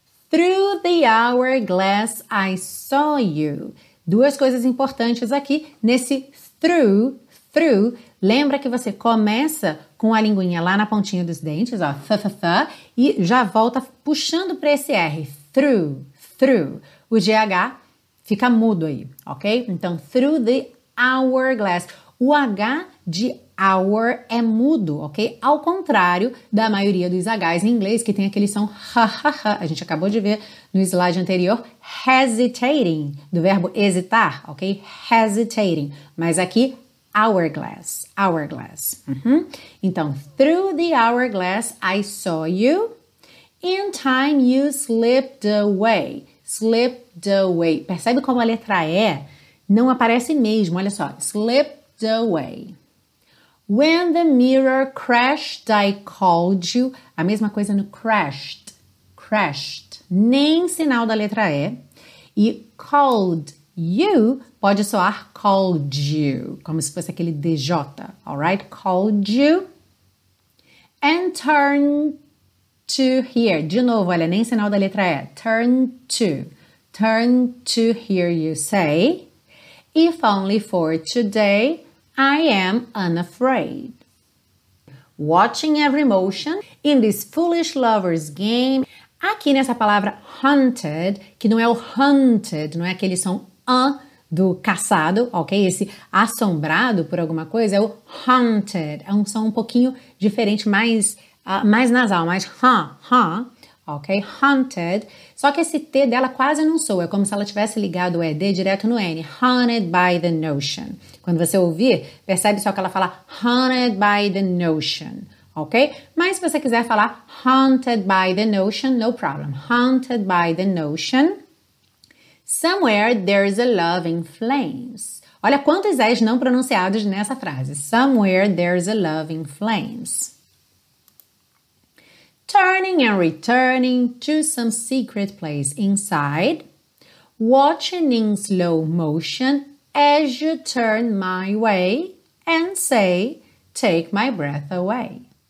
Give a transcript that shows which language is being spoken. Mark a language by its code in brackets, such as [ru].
[en] Through the hourglass I saw you. [pt] Duas coisas importantes aqui nesse through, through. Lembra que você começa com a linguinha lá na pontinha dos dentes, ó, th, th, th, e já volta puxando para esse R, through, through. O GH fica mudo aí, ok? [en] Então, through the hourglass. [pt] O H de hour é mudo, ok? Ao contrário da maioria dos Hs em inglês, que tem aquele som ha, ha, ha. A gente acabou de ver no slide anterior, hesitating, do verbo hesitar, ok? Hesitating, mas aqui, hourglass, hourglass. Uhum. [en] Então, through the hourglass I saw you. In time you slipped away. Slipped away. [pt] Percebe como a letra E não aparece mesmo, olha só. [en] Slipped away. When the mirror crashed, I called you. [pt] A mesma coisa no crashed. Crashed. Nem sinal da letra E. E [en] called you [pt] pode soar called you, como se fosse aquele DJ, [en] alright? Called you. And turn to hear. [pt] De novo, olha, nem sinal da letra E. [en] Turn to. Turn to hear you say. If only for today, I am unafraid. Watching every motion in this foolish lover's game. [pt] Aqui nessa palavra hunted, que não é o hunted, não é aquele som do caçado, ok? Esse assombrado por alguma coisa é o haunted. É um som um pouquinho diferente, mais nasal, mais ok? Haunted. Só que esse T dela quase não soa. É como se ela tivesse ligado o ED direto no N. Haunted by the notion. Quando você ouvir, percebe só que ela fala [en] haunted by the notion, [pt] ok? Mas se você quiser falar [en] haunted by the notion, no problem. Haunted by the notion. Somewhere there's a love in flames. [pt] Olha quantos S não pronunciados nessa frase. [en] Somewhere there's a love in flames. Turning and returning to some secret place inside. Watching in slow motion as you turn my way and say, take my breath away.